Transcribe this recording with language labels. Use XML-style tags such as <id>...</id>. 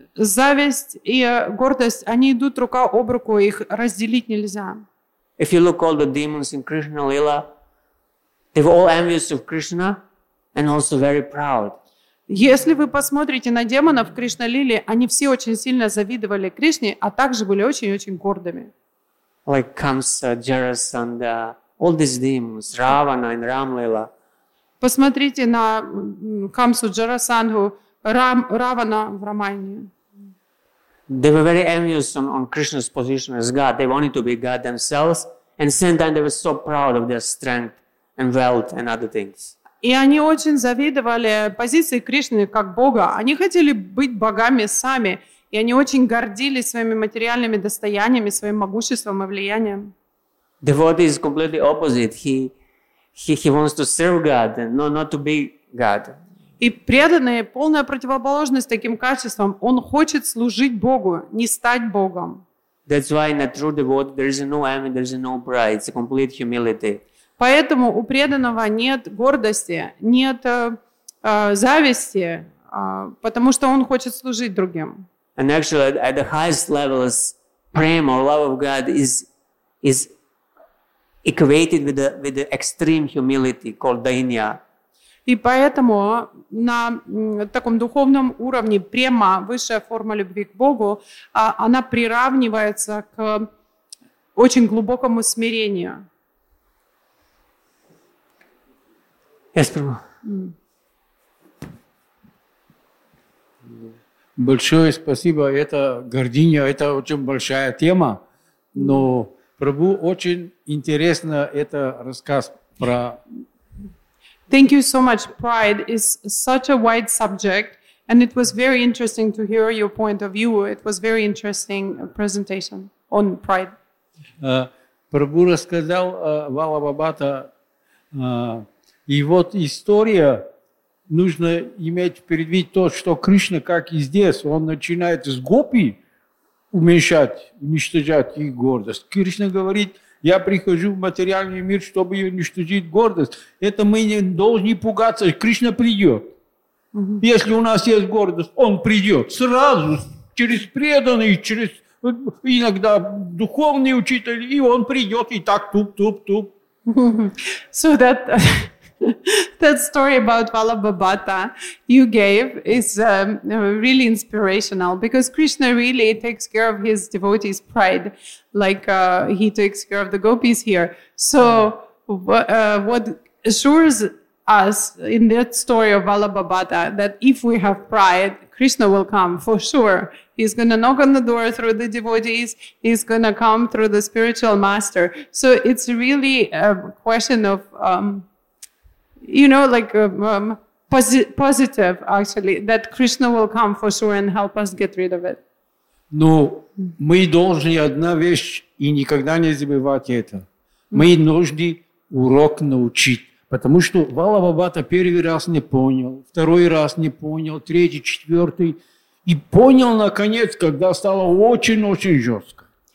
<ru>Зависть и гордость, они идут рука об руку, их разделить нельзя.</ru> <en>If you look all the demons in Krishna Lila, they're all envious of Krishna and also very proud.</en> <ru>Если вы посмотрите на демонов Кришна Лили, они все очень сильно завидовали Кришне, а также были очень-очень гордыми.</ru> <en>Like Kamsa, Jarasandha, all these demons, Ravana and Ramlila.</en> <ru>Посмотрите на Камсу, Джарасандху, Равана в Рамайне.</ru> <en>They were very envious on Krishna's position as God. They wanted to be God themselves, and same time they were so proud of their strength and wealth and other things.</en> <ru>И они очень завидовали позиции Кришны как Бога. Они хотели быть богами сами, и они очень гордились своими материальными достояниями, своим могуществом и влиянием.</ru> <en>Devotee is completely opposite. He wants to serve God, no, not to be God.</en> <ru>И преданный — полная противоположность таким качествам. Он хочет служить Богу, не стать Богом.</ru> <en>That's why in a true devotee there is no envy, there is no pride. It's a complete humility.</en> <ru>Поэтому у преданного нет гордости, нет зависти, потому что он хочет служить другим.</ru> <en>And actually, at the highest levels, prema or love of God is equated with the extreme humility called dainya.</en> <ru>И поэтому на таком духовном уровне према, высшая форма любви к Богу, она приравнивается к очень глубокому смирению.</ru> <en>Yes, Prabhu.</en> <ru>Большое спасибо. Это гордыня, это очень большая тема. Но, Прабу, очень интересно это рассказ про...</ru> <en>Thank you so much. Pride is such a wide subject, and it was very interesting to hear your point of view. It was very interesting presentation on pride.</en> <ru>Прабу рассказал Вала Бабата, и вот история, нужно иметь в виду то, что Кришна, как и здесь, он начинает с гопи уменьшать, уничтожать их гордость. Кришна говорит, я прихожу в материальный мир, чтобы уничтожить гордость. Это мы не должны пугаться, Кришна придет. Mm-hmm. Если у нас есть гордость, он придет сразу, через преданный, через иногда духовный учитель, и он придет, и так туп-туп-туп.</ru> <en>So that... That story about Vala Bhabhata you gave is really inspirational because Krishna really takes care of his devotees' pride like he takes care of the gopis here. So what assures us in that story of Vala Bhabhata that if we have pride, Krishna will come for sure. He's going to knock on the door through the devotees. He's going to come through the spiritual master. So it's really a question of... you know, like positive, actually, that Krishna will come for sure and help us get rid of it.</en> <ru>Ну, мы должны одна вещь и никогда не забывать это. Мы должны урок научить, потому что Вала Бхабхата первый раз не понял, второй раз не понял, третий, четвертый, и понял наконец, когда стало очень-очень жестко.</ru>